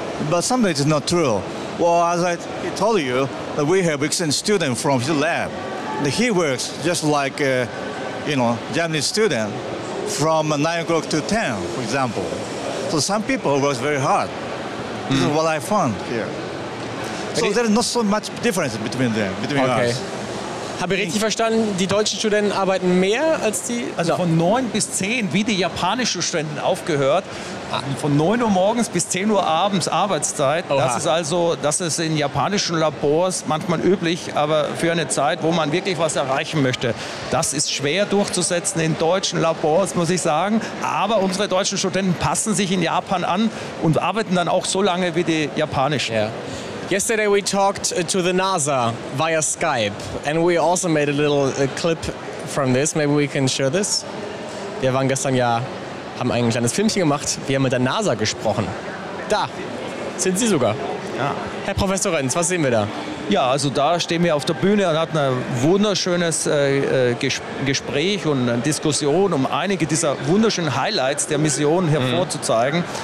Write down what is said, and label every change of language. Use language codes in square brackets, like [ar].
[en] But sometimes it's not true. Well, as I told you, that we have exchange student from his lab. He works just like, Japanese student from 9 o'clock to 10, for example. So some people work very hard. This is what I found here. So there's not so much difference between them, between okay. us. [de] Habe ich richtig verstanden, die deutschen Studenten arbeiten mehr als die? Also von 9 bis 10, wie die japanischen Studenten aufgehört, von 9 Uhr morgens bis 10 Uhr abends Arbeitszeit. Oha. Das ist in japanischen Labors manchmal üblich, aber für eine Zeit, wo man wirklich was erreichen möchte. Das ist schwer durchzusetzen in deutschen Labors, muss ich sagen. Aber unsere deutschen Studenten passen sich in Japan an und arbeiten dann auch so lange wie die japanischen. [en] Yeah. Yesterday we talked to the NASA via Skype, and we also made a little clip from this. Maybe we can show this. [de] Wir waren gestern ja, haben ein kleines Filmchen gemacht. Wir haben mit der NASA gesprochen. Da sind Sie sogar. Ja. Herr Professor Renz, was sehen wir da? Ja, also da stehen wir auf der Bühne und hatten ein wunderschönes Gespräch und eine Diskussion, um einige dieser wunderschönen Highlights der Mission hervorzuzeigen.